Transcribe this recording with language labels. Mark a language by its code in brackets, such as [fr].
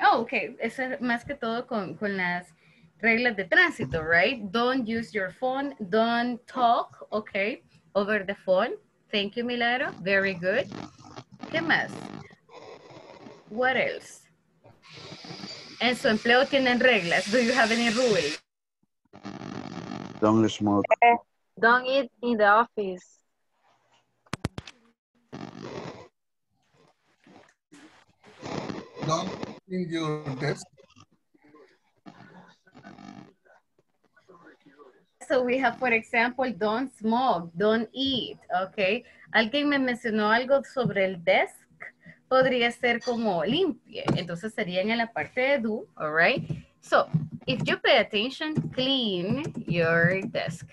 [es] Oh, okay, es más que todo con las reglas de tránsito, [en] right? Don't use your phone, don't talk, okay, over the phone. Thank you, Milagro. Very good. [es] ¿Qué más? [en] What else? [es] ¿En su empleo tienen reglas? [en] Do you have any rules? Don't smoke. Don't eat in the office. in your desk? So we have, for example, don't smoke, don't eat, okay? [es] Alguien me mencionó algo sobre el desk, podría ser como limpie. Entonces sería en la parte de do, [en] all right? So, if you pay attention, clean your desk.